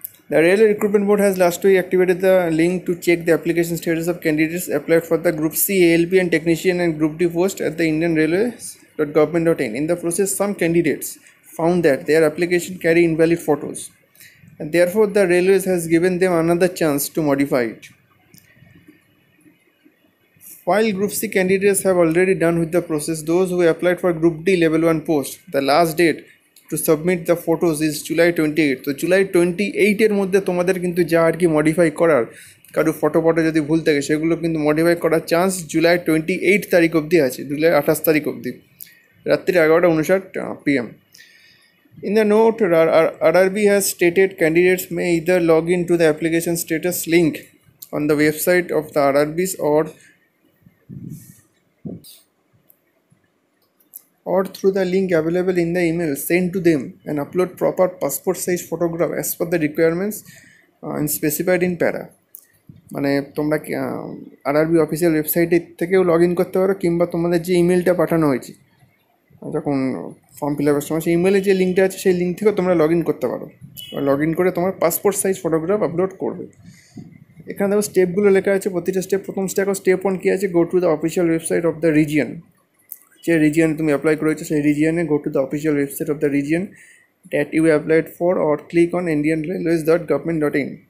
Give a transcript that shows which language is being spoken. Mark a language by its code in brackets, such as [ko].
[en] The rail recruitment board has last week activated the link to check the application status of candidates applied for the group C ALP and technician and group D post at the Indian railways dot government dot in. In the process some candidates found that their application carry invalid photos, there for the railways has given them another chance to modify it. While Group C candidates have already done with the process, those who applied for Group D Level 1 post, the last date to submit the photos is July 28th. So, July 28th [bn] এর মধ্যে তোমাদের কিন্তু যা আর কি modify করার, কারো photo photo যদি ভুল থাকে সেগুলো কিন্তু মডিফাই করার চান্স জুলাই 28 তারিখ অবধি আছে, জুলাই 28 তারিখ অবধি রাত্রি 11:59 PM। [en] In the note, RRB has stated candidates may either log in to the application status link on the website of the RRBs or through the link available in the email sent to them and upload proper passport size photograph as per the requirements and specified in para. [bn] মানে তোমরা RRB official ওয়েবসাইটে থেকেও log in করতে পারো, কিংবা তোমাদের যে ইমেলটা পাঠানো হয়েছে যখন ফর্ম ফিল আপের সময় সেই ইমেলের যে লিঙ্কটা আছে সেই লিঙ্ক থেকেও তোমরা লগ ইন করতে পারো, লগ ইন করে তোমার পাসপোর্ট সাইজ ফটোগ্রাফ আপলোড করবে। এখানে দেখো স্টেপগুলো লেখা আছে প্রতিটা স্টেপ। প্রথম স্টেপ স্টেপ ওয়ান কী আছে, [en] go to the official website of the region, [bn] যে রিজিয়নে তুমি অ্যাপ্লাই করেছো সেই রিজিয়নে [en] Go to the official website of the region that you applied for or click on Indian railways dot government dot in.